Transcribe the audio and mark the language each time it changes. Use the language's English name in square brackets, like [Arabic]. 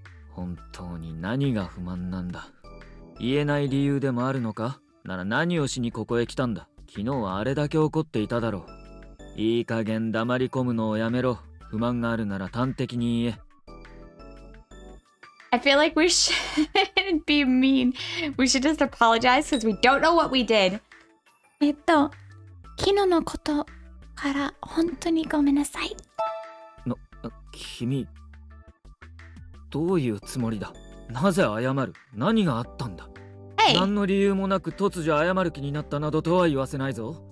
[Japanese] 本当に何が不満なんだ。言えない理由でもあるのか。なら何をしにここへ来たんだ。昨日はあれだけ怒っていただろう。いい加減黙り込むのをやめろ。不満があるなら端的に言え。 [English] I feel like we shouldn't be mean. We should just apologize because we don't know what we did. [Japanese] 昨日のことから本当にごめんなさい。君、どういうつもりだ。なぜ謝る。何があったんだ。 [English] Hey. [Japanese] 何の理由もなく突如謝る気になったなどとは言わせないぞ。